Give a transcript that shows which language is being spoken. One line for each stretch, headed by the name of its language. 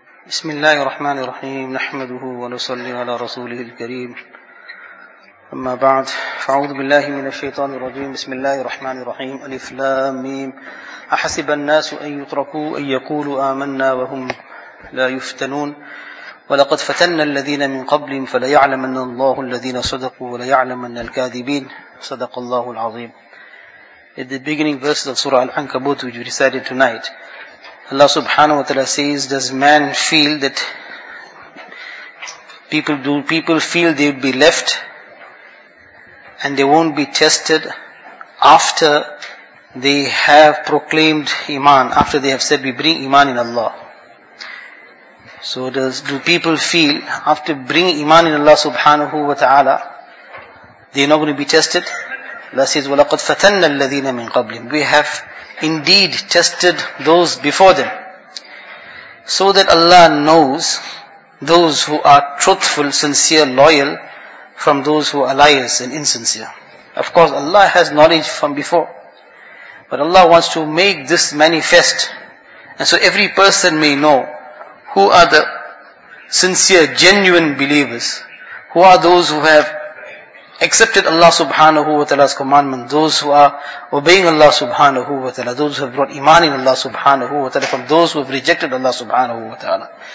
Arabic: بسم الله الرحمن الرحيم، نحمده ونصلي على رسوله الكريم، أما بعد، فأعوذ بالله من الشيطان الرجيم. بسم الله الرحمن الرحيم. ألف لام ميم. أحسب الناس أن يتركوا أن يقولوا آمنا وهم لا يفتنون. ولقد فتنا الذين من قبلهم فليعلمن الله الذين صدقوا وليعلمن الكاذبين. صدق الله العظيم.
English: At the beginning verses of Surah Al-Ankabut, which we recited tonight, Allah subhanahu wa ta'ala says, does man feel that people feel they would be left and they won't be tested after they have proclaimed iman, after they have said we bring iman in Allah? So do people feel after bringing iman in Allah subhanahu wa ta'ala they're not going to be tested? Allah says,
Arabic: وَلَقَدْ فَتَنَّ الَّذِينَ مِنْ قَبْلِهِمْ.
English: We have indeed tested those before them, so that Allah knows those who are truthful, sincere, loyal from those who are liars and insincere. Of course, Allah has knowledge from before, but Allah wants to make this manifest, and so every person may know who are the sincere, genuine believers, who are those who have accepted Allah subhanahu wa ta'ala's commandment, those who are obeying Allah subhanahu wa ta'ala, those who have brought iman in Allah subhanahu wa ta'ala, from those who have rejected Allah subhanahu wa ta'ala.